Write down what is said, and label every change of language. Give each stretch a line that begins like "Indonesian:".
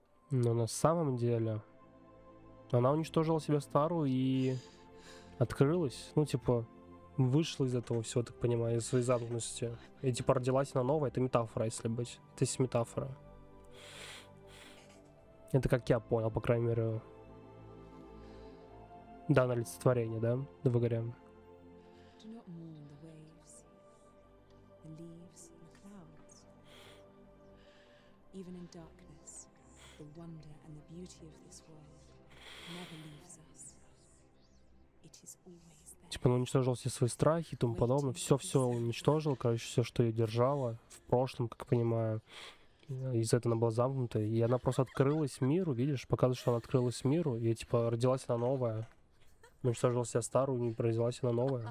Russian: Но на самом деле она уничтожила себя старую и открылась. Ну, типа, вышла из этого всего, так понимаю, из своей замкнутости. И типа родилась на новое, это метафора, если быть. Это метафора. Это как я понял, по крайней мере. Да, на олицетворение, да? Да, выгорем.
English: Even in darkness, the wonder and the beauty of this world never leaves us. It is always there.
Russian: Типа, ну, уничтожил все свои страхи и тому подобное. Все-все уничтожил, короче, все, что ее держало в прошлом, как понимаю. Из-за этого она была замкнута. И она просто открылась миру, видишь? Показывает, что она открылась миру. И, типа, родилась она новая. Уничтожила себя старую, не родилась она новая.